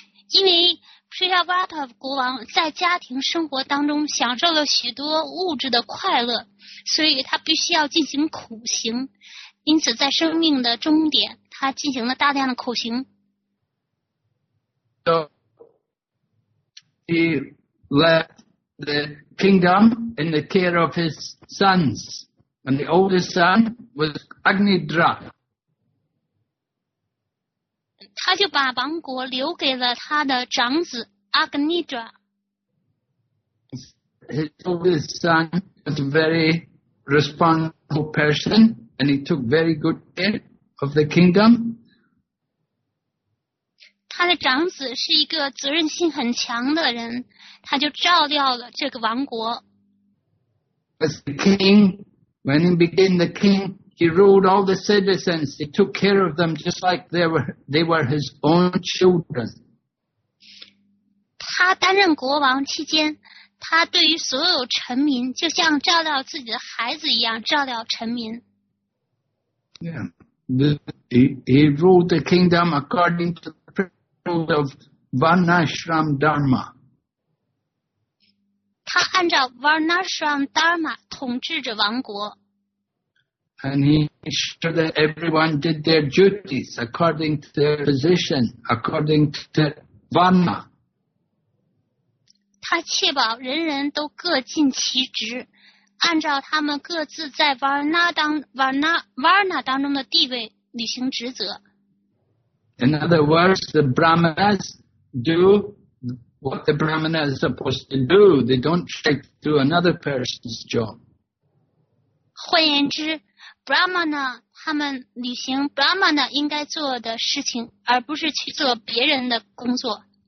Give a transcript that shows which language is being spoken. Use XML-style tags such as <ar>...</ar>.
<zh>因为 Priyavrata 国王在家庭生活当中享受了许多物质的快乐，所以他必须要进行苦行，因此在生命的终点他进行了大量的苦行。</zh> <en>So he left the kingdom in the care of his sons, and the oldest son was Agnya.</en> <zh>他就把王国留给了他的长子阿格尼德。</zh> <en>His oldest son was a very responsible person, and he took very good care of the kingdom.</en> <zh>他的长子是一个责任心很强的人，他就照料了这个王国。</zh> <en>As the king, when he became the king,He ruled all the citizens. He took care of them just like they were his own children.</en> <zh>他担任国王期间，他对于所有臣民就像照料自己的孩子一样照料臣民。</zh> <en>Yeah, he ruled the kingdom according to the principles of Varnashram Dharma.</en> <zh>他按照 Varnashram Dharma 统治着王国。</zh> <en>And he ensured that everyone did their duties according to their position, according to their vanna.</en> <zh>他确保人人都各尽其职，按照他们各自在 varna 当中的地位履行职责。</zh> <en>In other words, the brahmanas do what the brahmana is supposed to do. They don't try to do another person's job.</en> <zh>换言之。Brahmana, 他们履行 Brahmana 应该做的事情，而不是去做别人的工作。</zh>